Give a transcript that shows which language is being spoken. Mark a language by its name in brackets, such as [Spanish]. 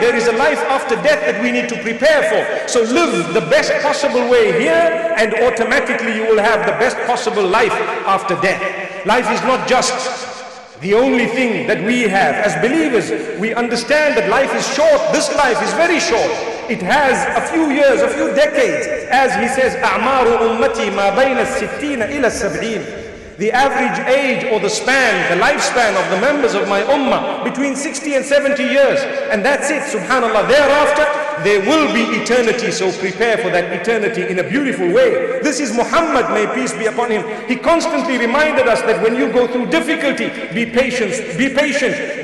[English] There is a life after death that we need to prepare for. So live the best possible way here, and automatically you will have the best possible life after death. Life is not just the only thing that we have. As believers, we understand that life is short. This life is very short. It has a few years, a few decades. As he says, [Arabic] أَعْمَارُ أُمَّتِي مَا بَيْنَ السِّتِّينَ إِلَى السَّبْعِينَ. [English] The average age, or the span, the lifespan of the members of my ummah, between 60 and 70 years. And that's it, subhanAllah. Thereafter, there will be eternity. So prepare for that eternity in a beautiful way. This is Muhammad, may peace be upon him. He constantly reminded us that when you go through difficulty, be patient, be patient.